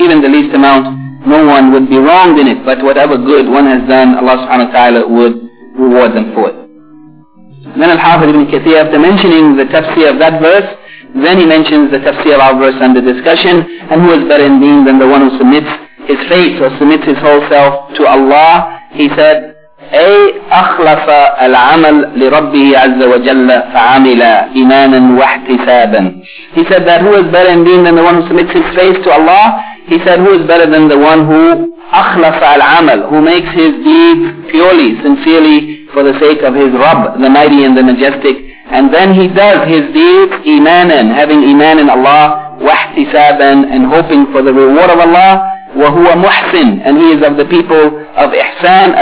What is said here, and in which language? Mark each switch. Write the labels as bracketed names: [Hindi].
[English] Even the least amount, no one would be wronged in it, but whatever good one has done, Allah subhanahu wa ta'ala would reward them for it. Then Al-Hafidh ibn Kathir, after mentioning the tafsir of that verse, then he mentions the tafsir of our verse under discussion, and who is better in deen than the one who submits his faith or submits his whole self to Allah. He said, [Arabic] أي أخلص العمل لربه عز وجل فعمل إيمانا واحتسابا. [English] He said that who is better in deen than the one who submits his faith to Allah? He said, who is better than the one who [Arabic] أخلص العمل, [English] who makes his deeds purely, sincerely, for the sake of his Rabb, the Mighty and the Majestic, and then he does his deeds imanan, having iman in Allah, wahtisaban, and hoping for the reward of Allah, wahuwa muhsin, and he is of the people of ihsan.